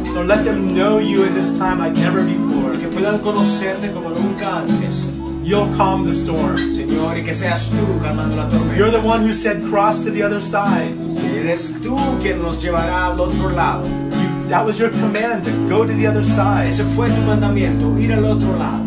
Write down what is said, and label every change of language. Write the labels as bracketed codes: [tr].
[en] Lord, let them know you in this time like never before. [es] Y que puedan conocerte como nunca antes. [en] You'll calm the storm. [es] Señor, y que seas tú calmando la tormenta. [en] You're the one who said cross to the other side. [es] Eres tú quien nos llevará al otro lado. [en] That was your command to go to the other side. [es] Ese fue tu mandamiento, ir al otro lado.